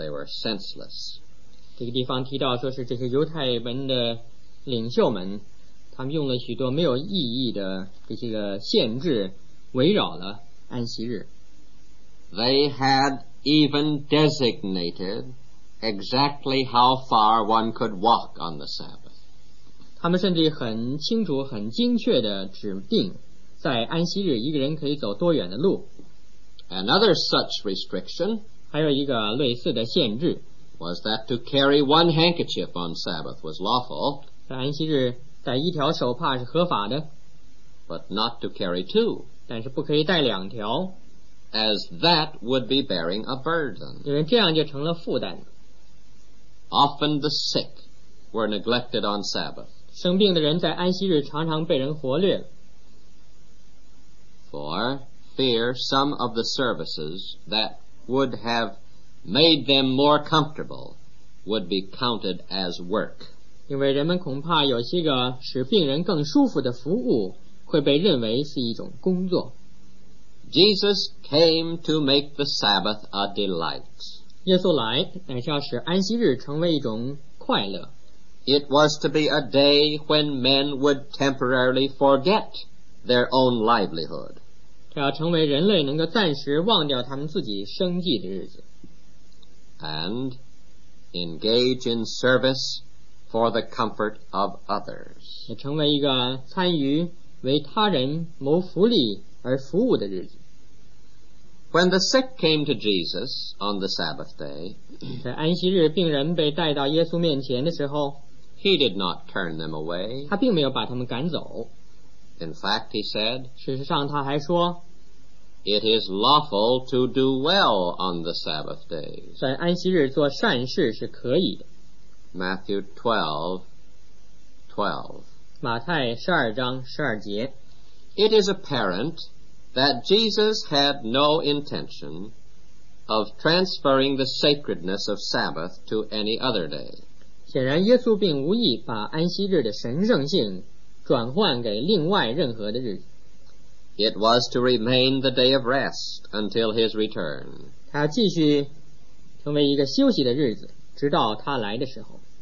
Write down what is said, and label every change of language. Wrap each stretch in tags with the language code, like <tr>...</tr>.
<en>They were senseless.</en> <zh>这个地方提到说是这些犹太人的领袖们他们用了许多没有意义的这些个限制围绕了安息日。</zh> <en>They had even designated exactly how far one could walk on the Sabbath.</en> <zh>他们甚至很清楚很精确的指定在安息日一个人可以走多远的路。</zh> <en>Another such restriction,</en> <zh>还有一个类似的限制，</zh> <en>was that to carry one handkerchief on Sabbath was lawful.</en> <zh>在安息日带一条手帕是合法的，</zh> <en>but not to carry two,</en> <zh>但是不可以带两条，</zh> <en>as that would be bearing a burden,</en> <zh>因为这样就成了负担。</zh> <en>Often the sick were neglected on Sabbath,</en> <zh>生病的人在安息日常常被人忽略，</zh> <en>for fear some of the services that would have made them more comfortable would be counted as work.</en> <zh>因为人们恐怕有些个使病人更舒服的服务会被认为是一种工作。</zh> <en>Jesus came to make the Sabbath a delight.</en> <zh>耶稣来乃是要使安息日成为一种快乐。</zh> <en>It was to be a day when men would temporarily forget their own livelihood.</en> <zh>这要成为人类能够暂时忘掉他们自己生计的日子。</zh> <en>And engage in serviceFor the comfort of others.</en> <zh>也成为一个参与为他人谋福利而服务的日子。</zh> <en>When the sick came to Jesus on the Sabbath day,</en> <zh>在安息日病人被带到耶稣面前的时候，</zh> <en>he did not turn them away.</en> <zh>他并没有把他们赶走。</zh> <en>In fact, he said,</en> <zh>事实上他还说，</zh> <en>it is lawful to do well on the Sabbath day.</en> <zh>在安息日做善事是可以的。</zh> <en>Matthew 12:12.</en> <zh>马太十二章十二节。</zh> <en>It is apparent that Jesus had no intention of transferring the sacredness of Sabbath to any other day.</en> <zh>显然耶稣并无意把安息日的神圣性转换给另外任何的日子。</zh> <en>It was to remain the day of rest until his return.</en> <zh>他继续成为一个休息的日子，直到他来的时候。</zh>